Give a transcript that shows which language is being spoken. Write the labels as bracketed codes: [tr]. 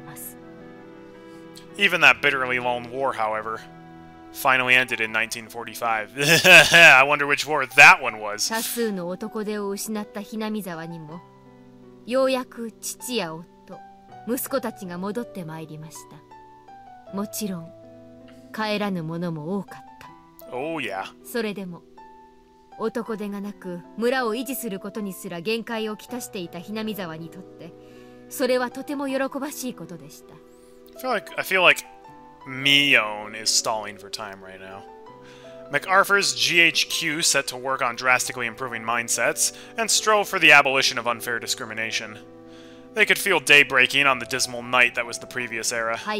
[ja] 数え出したらキリがないくらい、夫や息子を戦場に送り出し、15の女たちも心がすさんでいたのでしょうね。当時をよく覚えている祖母は、それは苦しい時代だったと回想しています。 [en] Even that bitterly lone war, however, finally ended in 1945. I wonder which war that one was. [ja] 多数の男手を失った雛見沢にも、 ようやく父や夫、息子たちが戻ってまいりました。もちろん帰らぬ者も多かった。それでも男手がなく村を維持することにすら限界をきたしていた雛見沢にとって、それはとても喜ばしいことでした。 [en] I feel like Mion is stalling for time right now. MacArthur's GHQ set to work on drastically improving mindsets and strove for the abolition of unfair discrimination. They could feel day breaking on the dismal night that was the previous era.